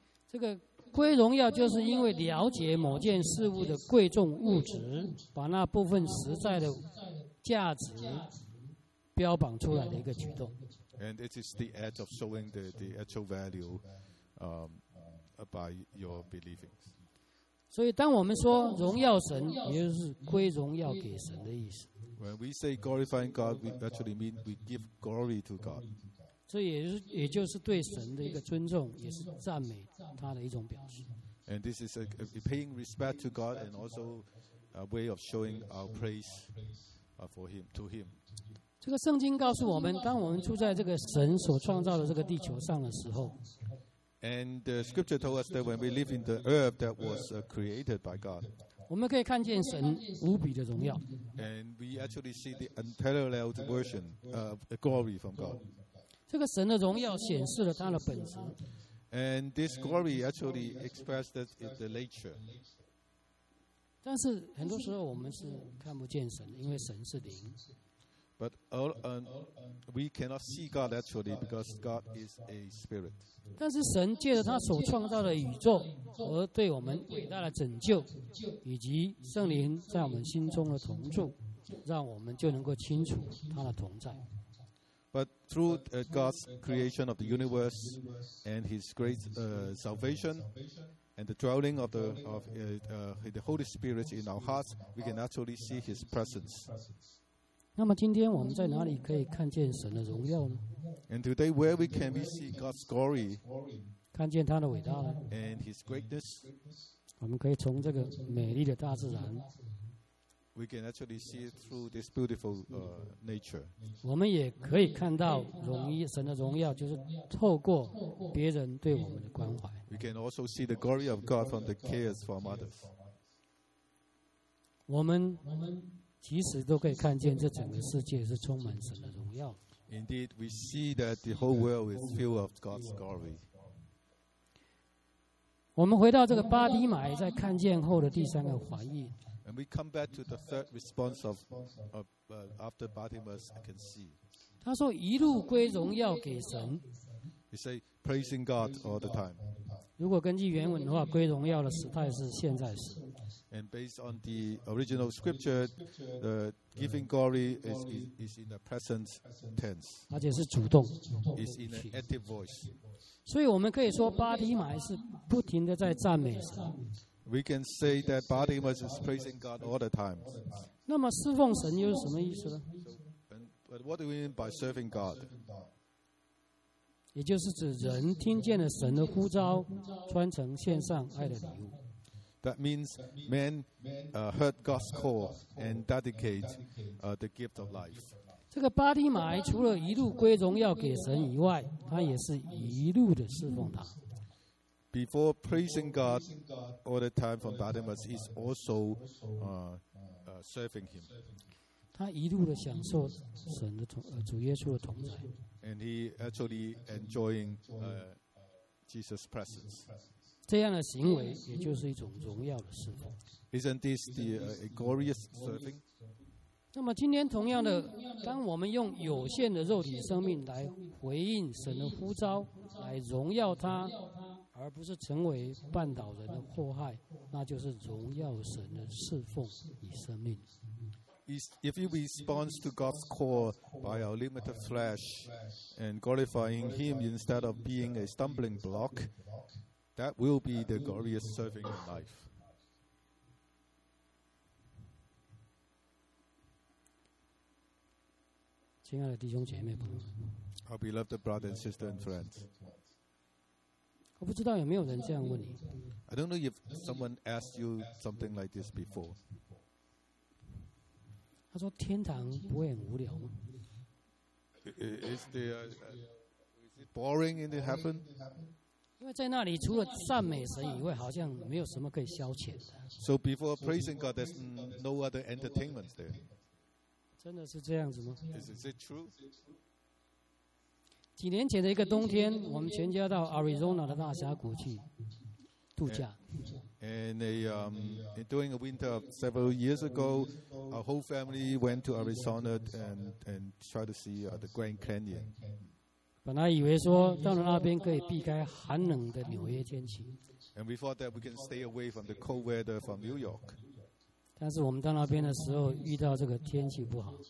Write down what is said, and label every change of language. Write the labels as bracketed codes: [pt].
[zh] 这个归荣耀就是因为了解某件事物的贵重物质，把那部分实在的价值标榜出来的一个举动。 [en] And it is the act of showing the actual value, by your believing. [zh] 所以，当我们说荣耀神，也就是归荣耀给神的意思。 [en] When we say glorifying God, we actually mean we give glory to God. [zh] 这也就是对神的一个尊重，也是赞美他的一种表示。 [en] And this is a paying respect to God and also a way of showing our praise for him, to him. [zh] 这个圣经告诉我们，当我们住在这个神所创造的这个地球上的时候， [en] And the scripture told us that when we live in the earth that was created by God, [zh] 我们可以看见神无比的荣耀。 [en] And we actually see the unparalleled version of glory from God. [zh] 这个神的荣耀显示了他的本质。 [en] And this glory actually expressed that in the nature. [zh] 但是很多时候我们是看不见神，因为神是灵。 [en] But all, we cannot see God actually because God is a spirit. [zh] 但是神借着他所创造的宇宙而对我们伟大的拯救，以及圣灵在我们心中的同住，让我们就能够清楚他的同在。 [en] But through God's creation of the universe and His great salvation and the dwelling of the Holy Spirit in our hearts, we can actually see His presence. [zh] 那么今天我们在哪里可以看见神的荣耀呢？ [en] And today, where we can we see God's glory? [zh] 看见他的伟大呢？ [en] And His greatness. [zh] 我们可以从这个美丽的大自然。 [en] We can actually see it through this beautiful nature. [zh] 我们也可以看到荣耀，神的荣耀，就是透过别人对我们的关怀。 [en] We can also see the glory of God from the cares from others. [zh] 我们其实都可以看见这整个世界是充满神的荣耀。 [en] Indeed, we see that the whole world is filled of God's glory. [zh] 我们回到这个巴迪买在看见后的第三个环义。 [en] And we come back to the third response of after Bartimaeus can see. [zh] 他说一路归荣耀给神。 [en] He say praising God all the time. [zh] 如果根据原文的话，归荣耀的时态是现在时。 [en] And based on the original scripture, the giving glory is in the present tense. [zh] 而且是主动。 [en] Is in an active voice. [zh] 所以我们可以说巴迪买是不停的在赞美神。 [en] We can say that Bartimaeus is praising God all the time. [zh] 那么侍奉神又是什么意思呢？ [en] But what do we mean by serving God? [zh] 也就是指人听见了神的呼召，穿成献上爱的礼物。 [en] That means men heard God's call and dedicate the gift of life. [zh] 这个巴迪买除了一路归荣耀给神以外，他也是一路的侍奉他。 [en] Before praising God all the time from Bartimaeus, he's also serving him. [zh] 他一路的享受神的同主耶稣的同在。 [en] And he actually enjoying Jesus' presence. [zh] 这样的行为也就是一种荣耀的侍奉。 [en] Isn't this the a glorious serving? [zh] 那么今天同样的，当我们用有限的肉体生命来回应神的呼召，来荣耀他。而不是成为绊倒人的祸害，那就是荣耀神的侍奉与生命。 [en] If we respond to God's call by our limited flesh and glorifying Him instead of being a stumbling block, that will be the glorious serving of life. [zh] 亲爱的弟兄姐妹朋友们 [en] ，Our beloved brothers and sisters and friends。 [zh] 我不知道有没有人这样问你。 [en] I don't know if someone asked you something like this before. [zh] 他说：“天堂不会很无聊吗 [en] is it boring in the heaven? [zh] 因为在那里除了赞美神以外，好像没有什么可以消遣的。 [en] So before praising God, there's no other entertainment there. [zh] 真的是这样子吗 [en] ？Is it true? [zh] 几年前的一个冬天，我们全家到 Arizona 的大峡谷去度假。 [en] And during a winter of several years ago, our whole family went to Arizona and try to see the Grand Canyon. [zh] 本来以为说到了那边可以避开寒冷的纽约天气。 [en] And we thought that we can stay away from the cold weather from New York. [zh] 但是我们到那边的时候遇到这个天气不好。